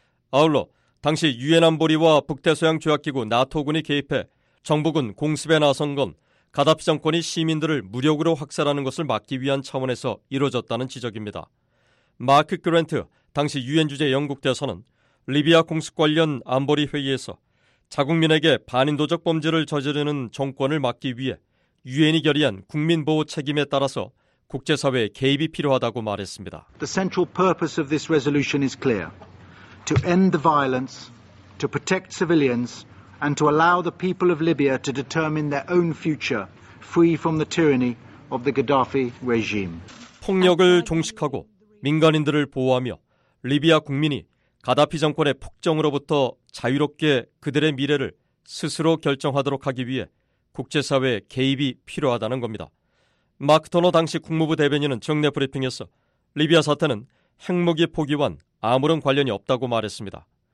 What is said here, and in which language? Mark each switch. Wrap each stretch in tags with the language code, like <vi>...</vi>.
<ko>아울러 당시 유엔 안보리와 북대서양 조약기구 나토군이 개입해 정부군 공습에 나선 건 가다피 정권이 시민들을 무력으로 학살하는 것을 막기 위한 차원에서 이루어졌다는 지적입니다. 마크 그랜트 당시 유엔 주재 영국 대사는 리비아 공습 관련 안보리 회의에서 자국민에게 반인도적 범죄를 저지르는 정권을 막기 위해 유엔이 결의한 국민보호 책임에 따라서 국제사회의 개입이 필요하다고 말했습니다.</ko> <en>The central purpose of this resolution is clear. To end the violence, to protect civilians, and to allow the people of Libya to determine their own future free from the tyranny of the Gaddafi regime.</en> <ko>폭력을 종식하고 민간인들을 보호하며 리비아 국민이 가다피 정권의 폭정으로부터 자유롭게 그들의 미래를 스스로 결정하도록 하기 위해 국제사회의 개입이 필요하다는 겁니다. 마크 토너 당시 국무부 대변인은 정례 브리핑에서 리비아 사태는 핵무기 포기와 아무런 관련이 없다고 말했습니다.</ko>